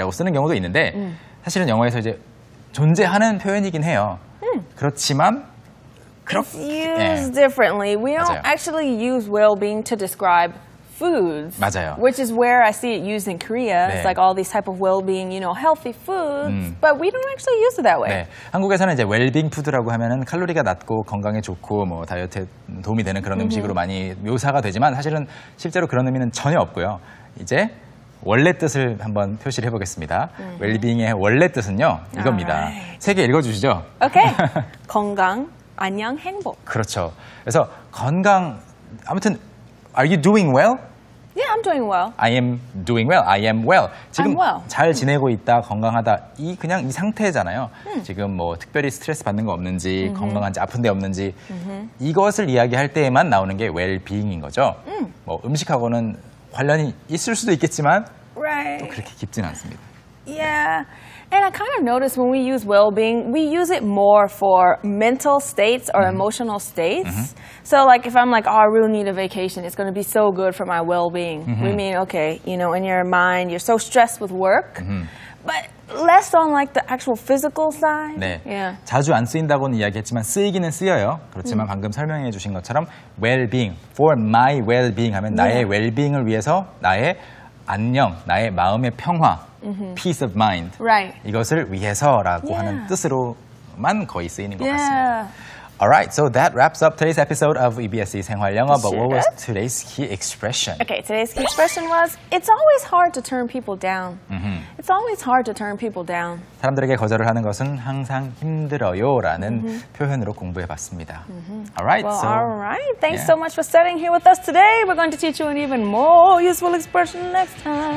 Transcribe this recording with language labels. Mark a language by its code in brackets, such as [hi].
[ko] 쓰는 경우도 있는데 사실은 영어에서 이제 존재하는 표현이긴 해요. 그렇지만 [en] It's used [ko] 네. [en] differently. We [ko] 맞아요. [en] don't actually use well-being to describe foods, [ko] 맞아요. [en] which is where I see it used in Korea. [ko] 네. [en] It's like all these type of well-being, you know, healthy foods, but we don't actually use it that way. [ko] 네. 한국에서는 이제 well-being food라고 하면은 칼로리가 낮고 건강에 좋고 뭐 다이어트에 도움이 되는 그런 음식으로 많이 묘사가 되지만 사실은 실제로 그런 의미는 전혀 없고요. 이제 원래 뜻을 한번 표시를 해보겠습니다. Well-being의 원래 뜻은요, 이겁니다. 세 개 읽어주시죠. Okay. 건강. 안녕, 행복. 그렇죠. 그래서 건강, 아무튼, [en] are you doing well? Yeah, I'm doing well. I am doing well. I am well. [ko] 지금 well. 잘 지내고 있다, 건강하다, 이 그냥 이 상태잖아요. 지금 뭐 특별히 스트레스 받는 거 없는지, 건강한지, 아픈 데 없는지, 이것을 이야기할 때에만 나오는 게 well-being인 거죠. 뭐 음식하고는 관련이 있을 수도 있겠지만, [en] right. [ko] 또 그렇게 깊진 않습니다. [en] Yeah. And I kind of noticed when we use well-being, we use it more for mental states or emotional states. So like if I'm like, oh, I really need a vacation, it's going to be so good for my well-being. We mean, okay, you know, in your mind, you're so stressed with work. But less on like the actual physical side. [ko] 네. [en] Yeah. [ko] 자주 안 쓰인다고는 이야기했지만 쓰이기는 쓰여요. 그렇지만 방금 설명해 주신 것처럼 well-being, [en] for my well-being [ko] 하면 나의 [en] yeah. [ko] well-being을 위해서 나의 안녕, 나의 마음의 평화. [en] Peace of mind. Right. [ko] 이것을 위해서라고 [en] yeah. [ko] 하는 뜻으로만 거의 쓰이는 것 [en] yeah. [ko] 같습니다. [en] Alright, so that wraps up today's episode of EBSe 생활영어. But what was today's key expression? Okay, today's key expression was, it's always hard to turn people down. It's always hard to turn people down. [ko] 사람들에게 거절을 하는 것은 항상 힘들어요 라는 표현으로 공부해봤습니다. [en] Alright, well, so... Alright, thanks yeah. so much for studying here with us today. We're going to teach you an even more useful expression next time.